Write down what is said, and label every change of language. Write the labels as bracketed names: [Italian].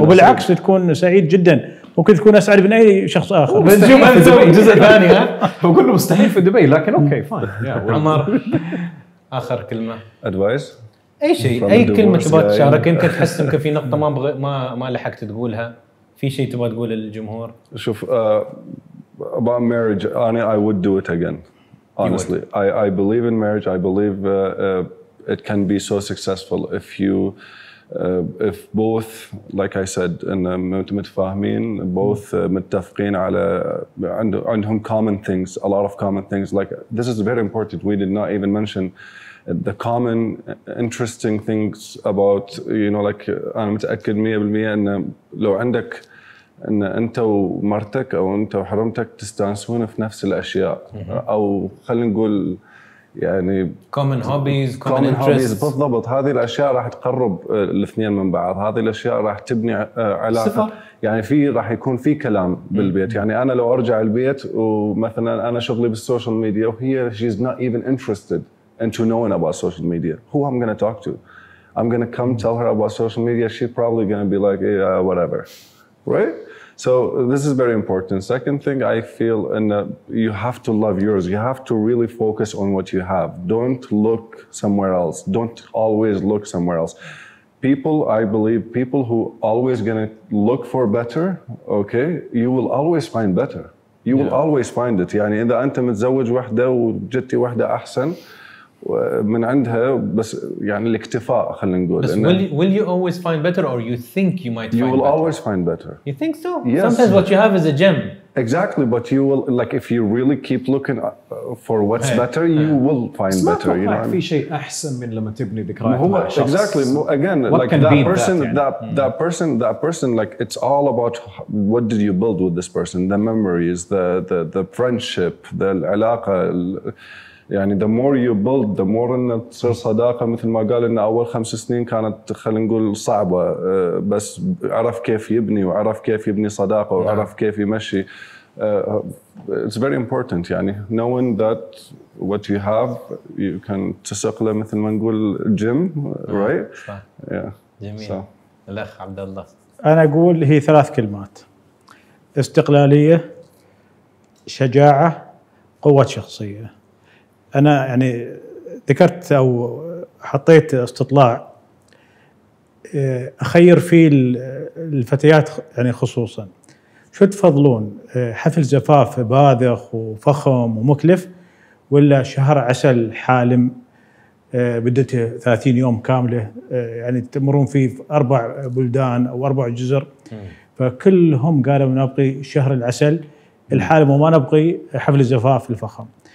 [Arabic] وبالعكس تكون سعيد جدا وممكن تكون اسعد من اي شخص اخر. بنجيب نسوي جزء ثاني. ها بقول له مستحيل في دبي لكن اوكي فاين. يا عمر اخر كلمه ادفايس اي شيء اي كلمه تبغى تشارك يمكن تحس يمكن في نقطه ما لحقت تقولها في شيء تبغى تقول للجمهور. [English] شوف about marriage انا I would do it again honestly. I believe in marriage. I believe it can be so successful if you if both like I said ان متفاهمين both متفقين على عندهم common things a lot of common things like this is very important. [Arabic] We did not even mention the common interesting things about you know like انا متاكد 100% ان لو عندك ان انت ومرتك او انت وحرمتك تستانسون في نفس الاشياء او خلينا نقول يعني [English] common hobbies common interests [Arabic] بالضبط هذه الاشياء راح تقرب الاثنين من بعض. هذه الاشياء راح تبني علاقه يعني في راح يكون في كلام بالبيت. [English] يعني انا لو ارجع البيت ومثلا انا شغلي بالسوشيال ميديا وهي she's not even interested in to know about social media who I'm going to talk to I'm going to come tell her about social media she's probably going to be like yeah, whatever right. So this is very important. Second thing I feel and you have to love yours. You have to really focus on what you have. Don't look somewhere else. Don't always look somewhere else. People, I believe people who always going to look for better, okay? You will always find better. You yeah. will always find it. [Arabic] يعني إذا أنت متزوج وحدة وجدتي وحدة أحسن من عندها بس يعني الاكتفاء خلينا نقول. [English] بس will you always find better or you think you might find you will better? Always find better. You think so? Yes. Sometimes what you have is a gem. Exactly, but you will like if you really keep looking for what's better you will find better. You know. [Arabic] في شيء أحسن من لما تبني ذكريات. هو [English] exactly again like that person that person like it's all about what did you build with this person the memories the friendship the العلاقة. يعني the more you build the more إن تصير صداقة. [Arabic] مثل ما قال إن أول 5 سنين كانت خلينا نقول صعبة بس عرف كيف يبني وعرف كيف يبني صداقة وعرف كيف يمشي. [English] It's very important يعني knowing that what you have you can تسق له مثل ما نقول جيم right. [Arabic] صح. [English] Yeah. [Arabic] جميل. So. الأخ عبد الله أنا أقول هي 3 كلمات استقلالية شجاعة قوة شخصية. أنا يعني ذكرت أو حطيت استطلاع أخير فيه الفتيات يعني خصوصا شو تفضلون حفل زفاف باذخ وفخم ومكلف ولا شهر عسل حالم بدته 30 يوم كاملة يعني تمرون فيه 4 بلدان أو 4 جزر فكلهم قالوا نبقي شهر العسل الحالم وما نبقي حفل الزفاف الفخم.